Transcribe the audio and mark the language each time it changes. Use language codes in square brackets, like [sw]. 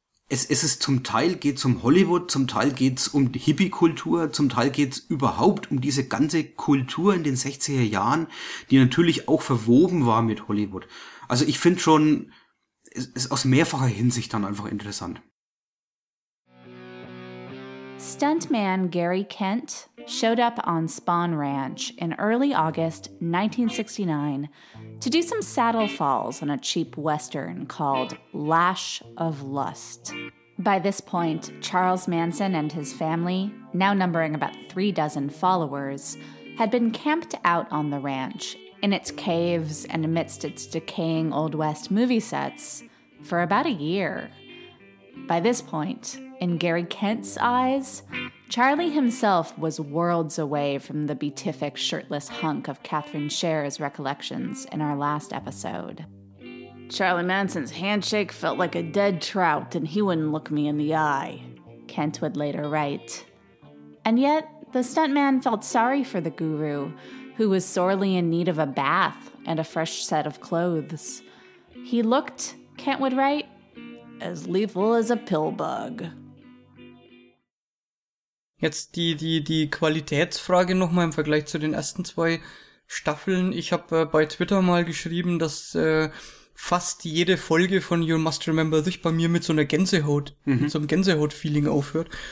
[de] Es ist zum Teil geht's um Hollywood, zum Teil geht's um die Hippie-Kultur, zum Teil geht's überhaupt um diese ganze Kultur in den 60er Jahren, die natürlich auch verwoben war mit Hollywood. Also ich finde schon, ist aus mehrfacher Hinsicht dann einfach interessant. [en] Stuntman Gary Kent showed up on Spahn Ranch in early August 1969 to do some saddle falls on a cheap western called Lash of Lust. By this point, Charles Manson and his family, now numbering about 36 followers, had been camped out on the ranch in its caves and amidst its decaying Old West movie sets for about a year. By this point, in Gary Kent's eyes, Charlie himself was worlds away from the beatific shirtless hunk of Catherine Scher's recollections in our last episode. Charlie Manson's handshake felt like a dead trout and he wouldn't look me in the eye, Kent would later write. And yet, the stuntman felt sorry for the guru, who was sorely in need of a bath and a fresh set of clothes. He looked, Kent would write, as lethal as a pill bug. [de] Jetzt die Qualitätsfrage nochmal im Vergleich zu den ersten zwei Staffeln. Ich habe bei Twitter mal geschrieben, dass fast jede Folge von You Must Remember sich bei mir mit so einer Gänsehaut, mit so einem Gänsehaut-Feeling aufhört.